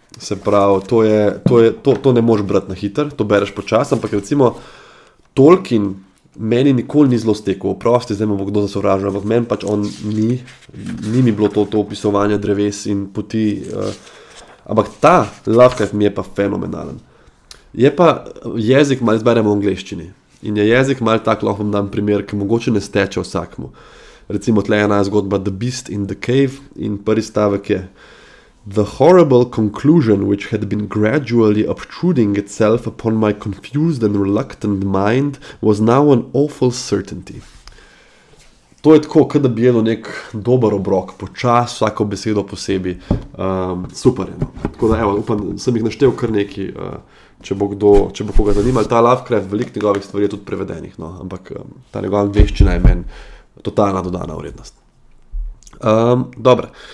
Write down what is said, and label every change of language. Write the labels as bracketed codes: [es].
[sl] Se pravi, to ne moreš brati na hiter, to bereš počas, ampak recimo Tolkien meni nikoli ni zelo stekel, oprosti, zdaj me bo kdo zasovražil, ampak meni pač on ni mi bilo to opisovanje dreves in poti, ampak ta Lovecraft mi je pa fenomenalen. Je pa jezik, malo izberemo v angleščini, in je jezik malo tak, lahko vam dam primer, ki mogoče ne steče vsakmu. Recimo tle ena zgodba [en] The Beast in the Cave [sl] in prvi stavek je [en] The horrible conclusion which had been gradually obtruding itself upon my confused and reluctant mind was now an awful certainty. [sl] To je tako, kot da bi jedel nek dober obrok, počas, vsako besedo posebej. Super je. Tako da evo, upam, sem jih naštel kar nekaj, če bo koga zanimal. Ta Lovecraft, veliko njegovih stvari je tudi prevedenih, no, ampak ta njegova angleščina je meni totalna dodana vrednost. Dobre.